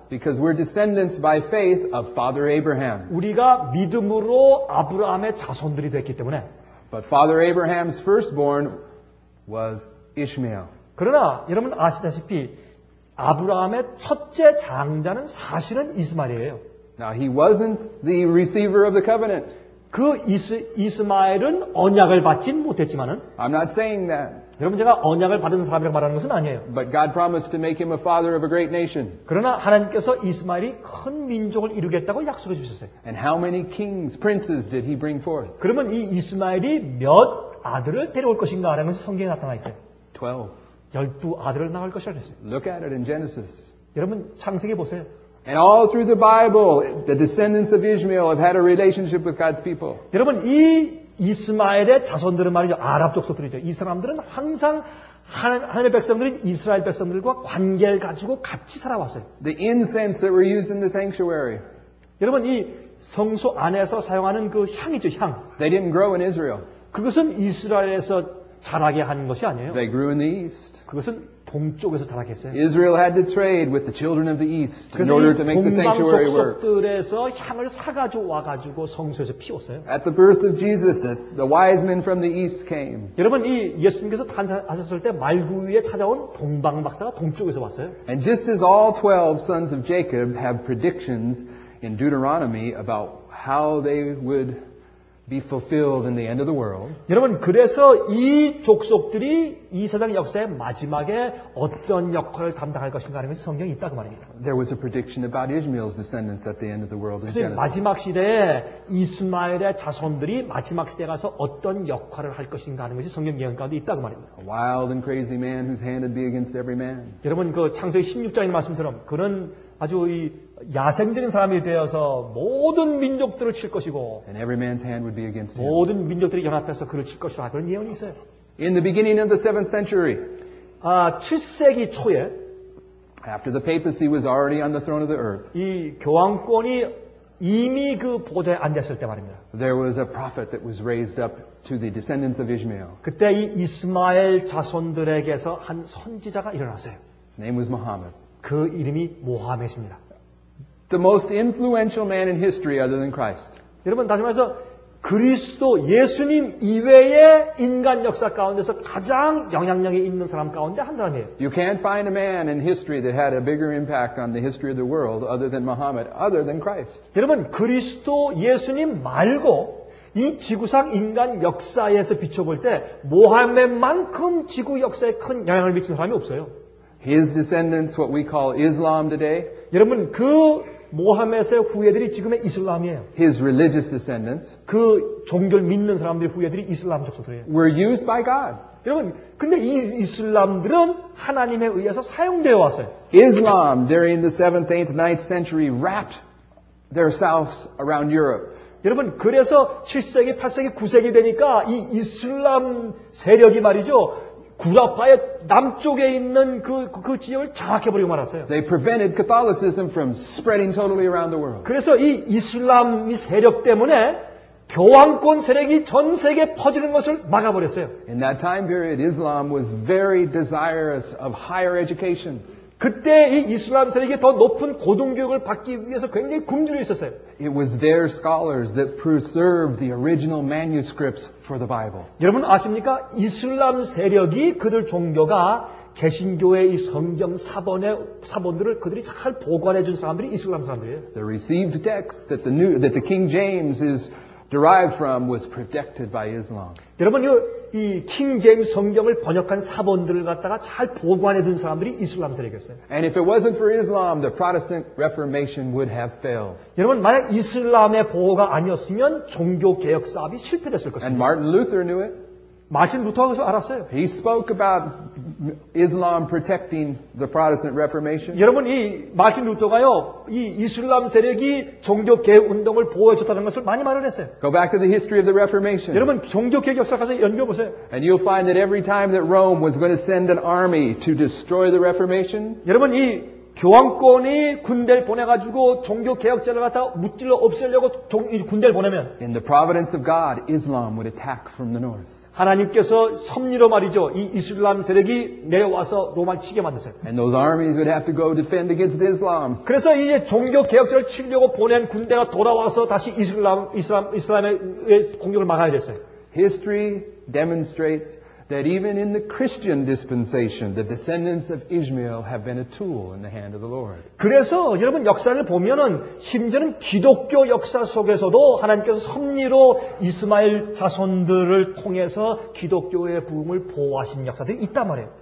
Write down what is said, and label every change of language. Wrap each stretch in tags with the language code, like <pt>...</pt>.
<en>Because we're descendants by faith of Father Abraham.</en> <ko>우리가 믿음으로 아브라함의 자손들이 됐기 때문에.</ko> <en>But Father Abraham's firstborn was Ishmael.</en> <ko>그러나 여러분 아시다시피 아브라함의 첫째 장자는 사실은 이스마엘이에요.</ko> <en>Now he wasn't the receiver of the covenant.</en> <ko>그 이스마엘은 언약을 받진 못했지만은.</ko> <en>I'm not saying that.</en> <ko>여러분 제가 언약을 받은 사람이라고 말하는 것은 아니에요.</ko> <en>But God promised to make him a father of a great nation.</en> <ko>그러나 하나님께서 이스마엘이 큰 민족을 이루겠다고 약속해 주셨어요.</ko> <en>And how many kings, princes did he bring forth?</en> <ko>그러면 이 이스마엘이 몇 아들을 데려올 것인가라는 것이 성경에 나타나 있어요.</ko> <en>12.</en> <ko>열두 아들을 낳을 것이라고 했어요.</ko> <en>Look at it in Genesis.</en> <ko>여러분 창세기 보세요.</ko> <en>And all through the Bible, the descendants of Ishmael have had a relationship with God's people.</en> <ko>여러분 이 이스마엘의 자손들은 말이죠 아랍 족속들이죠. 이 사람들은 항상 하나님의 백성들인 이스라엘 백성들과 관계를 가지고 같이 살아왔어요.</ko> <en>The incense that were used in the sanctuary.</en> <ko>여러분 이 성소 안에서 사용하는 그 향이죠 향.</ko> <en>They didn't grow in Israel.</en> <ko>그것은 이스라엘에서 자라게 하는 것이 아니에요.</ko> <en>They grew in the east.</en> <ko>그것은 동쪽에서 자라게 했어요.</ko> <en>Israel had to trade with the children of the east in order to make the sanctuary work.</en> <ko>동방 족속들에서 향을 사가지고 와가지고 성소에서 피웠어요.</ko> <en>At the birth of Jesus, the wise men from the east came.</en> <ko>여러분, 이 예수님께서 탄생하셨을 때 말구위에 찾아온 동방 박사가 동쪽에서 왔어요.</ko> <en>And just as all 12 sons of Jacob have predictions in Deuteronomy about how they would be fulfilled in the end of the world.</en> <ko>여러분 그래서 이 족속들이 이 세상 역사의 마지막에 어떤 역할을 담당할 것인가 하는 것이 성경에 있다고 말입니다.</ko> <en>There was a prediction about Ishmael's descendants at the end of the world in Genesis.</en> <ko>마지막 시대에 이스마엘의 자손들이 마지막 시대에 가서 어떤 역할을 할 것인가 하는 것이 성경 예언 가운데 있다고 말입니다.</ko> <en>A wild and crazy man whose hand would be against every man.</en> <ko>여러분 그 창세기 16장의 말씀처럼 그는 아주 이 야생적인 사람이 되어서 모든 민족들을 칠 것이고</ko> <en>And every man's hand would be against him.</en> <ko>모든 민족들이 연합해서 그를 칠 것이라 그런 예언이 있어요.</ko> <en>In the beginning of the 7th century,</en> <ko>7세기 초에</ko> <en>After the papacy was already on the throne of the earth,</en> <ko>이 교황권이 이미 그 보좌에 앉았을 때 말입니다.</ko> <en>There was a prophet that was raised up to the descendants of Ishmael.</en> <ko>그때 이 이스마엘 자손들에게서 한 선지자가 일어났어요.</ko> <en>His name was Muhammad.</en> <ko>그 이름이 모하메드입니다.</ko> <en>The most influential man in history other than Christ.</en> <ko>여러분 다시 말해서 그리스도 예수님 이외의 인간 역사 가운데서 가장 영향력이 있는 사람 가운데 한 사람이에요.</ko> <en>You can't find a man in history that had a bigger impact on the history of the world other than Muhammad, other than Christ.</en> <ko>여러분 그리스도 예수님 말고 이 지구상 인간 역사에서 비춰볼 때 모하메드만큼 지구 역사에 큰 영향을 미친 사람이 없어요.</ko> <en>His descendants, what we call Islam today.</en> <ko>여러분 그 모하메드의 후예들이 지금의 이슬람이에요.</ko> <en>His religious descendants.</en> <ko>그 종교를 믿는 사람들의 후예들이 이슬람 족속들이에요.</ko> <en>Were used by God.</en> <ko>여러분 근데 이 이슬람들은 하나님에 의해서 사용되어 왔어요.</ko> <en>Islam during the 7th, 8th, 9th century wrapped themselves around Europe.</en> <ko>여러분 그래서 7세기, 8세기, 9세기 되니까 이 이슬람 세력이 말이죠. 구라파의 남쪽에 있는 그 지역을 장악해 버리고 말았어요.</ko> <en>They prevented Catholicism from spreading totally around the world.</en> <ko>그래서 이 이슬람 세력 때문에 교황권 세력이 전 세계에 퍼지는 것을 막아 버렸어요.</ko> <en>In that time period, Islam was very desirous of higher education.</en> <ko>그때 이 이슬람 세력이 더 높은 고등교육을 받기 위해서 굉장히 굶주려 있었어요.</ko> <en>It was their scholars that preserved the original manuscripts for the Bible.</en> <ko>여러분 아십니까? 이슬람 세력이 그들 종교가 개신교의 이 성경 사본들을 그들이 잘 보관해 준 사람들이 이슬람 사람들이에요.</ko> <en>They received texts that the King James is derived from was protected by Islam.</en> <ko>여러분 이 킹 제임스 성경을 번역한 사본들을 갖다가 잘 보관해 둔 사람들이 이슬람 세력이었어요.</ko> <en>And if it wasn't for Islam, the Protestant Reformation would have failed.</en> <ko>여러분 만약 이슬람의 보호가 아니었으면 종교 개혁 사업이 실패됐을 것입니다.</ko> <en>And Martin Luther knew it.</en> <ko>마틴 루터가 알았어요.</ko> <en>He spoke about Islam protecting the Protestant Reformation.</en> <ko>여러분 이 마틴 루터가요, 이 이슬람 세력이 종교 개혁 운동을 보호해 줬다는 것을 많이 말을 했어요.</ko> <en>Go back to the history of the Reformation.</en> <ko>여러분 종교 개혁 역사 가서 연구해 보세요.</ko> <en>And you'll find that every time that Rome was going to send an army to destroy the Reformation.</en> <ko>여러분 이 교황권이 군대를 보내가지고 종교 개혁자를 갖다 무찔러 없애려고 군대를 보내면.</ko> <en>In the providence of God, Islam would attack from the north.</en> <ko>하나님께서 섭리로 말이죠. 이 이슬람 세력이 내려와서 로마를 치게 만드세요.</ko> <en>And those armies would have to go defend against Islam.</en> <ko>그래서 이제 종교 개혁자를 치려고 보낸 군대가 돌아와서 다시 이슬람의 공격을 막아야 됐어요.</ko> <en>History demonstrates that even in the Christian dispensation, the descendants of Ishmael have been a tool in the hand of the Lord.</en> <ko>그래서 여러분 역사를 보면은 심지어는 기독교 역사 속에서도 하나님께서 섭리로 이스마엘 자손들을 통해서 기독교의 부흥을 보호하신 역사들이 있단 말이에요.</ko>